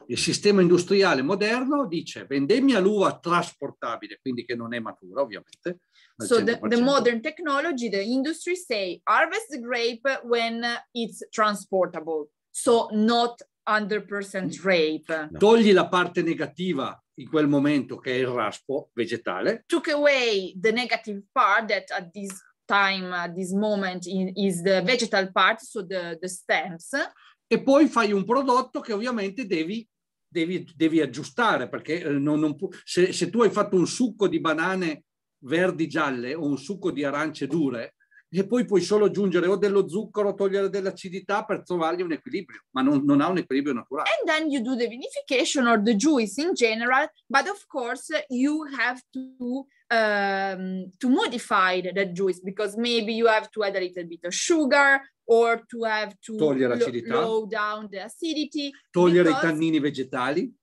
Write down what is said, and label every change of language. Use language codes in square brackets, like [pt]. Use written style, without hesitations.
[it] Il sistema industriale moderno dice vendemmia l'uva trasportabile, quindi che non è matura ovviamente. [en] So the modern technology, the industry say harvest the grape when it's transportable, so not 100% ripe. [it] Togli la parte negativa in quel momento che è il raspo vegetale. [en] Took away the negative part that at this time, at this moment is the vegetal part, so the stems. [it] E poi fai un prodotto che ovviamente devi aggiustare, perché non se tu hai fatto un succo di banane verdi gialle o un succo di arance dure, e poi puoi solo aggiungere o dello zucchero, togliere dell'acidità per trovargli un equilibrio, ma non ha un equilibrio naturale. [en] And then you do the vinification or the juice in general, but of course you have to modify that juice, because maybe you have to add a little bit of sugar or to have to [it] togliere l'acidità, [en] low down the acidity, [it] togliere i tannini vegetali,